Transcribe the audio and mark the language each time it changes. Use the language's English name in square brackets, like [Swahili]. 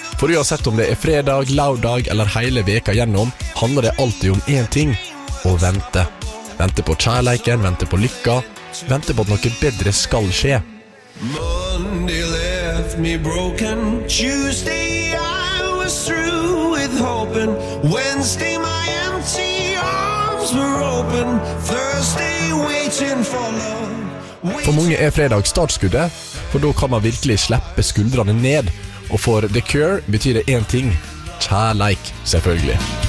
[Norwegian] For uansett om det fredag, lørdag eller hele veka gjennom, handler det alltid om én ting: å vente. Vente på kjærleiken, vente på lykka, vente på at noe bedre skal skje. [English] Monday left me broken, Tuesday I was through with hoping, Wednesday my empty arms were open, Thursday waiting for love. [Norwegian] For mange fredag startskuddet, for da kan man virkelig slippe skuldrene ned, og for The Cure betyr det én ting: kjærleik, selvfølgelig.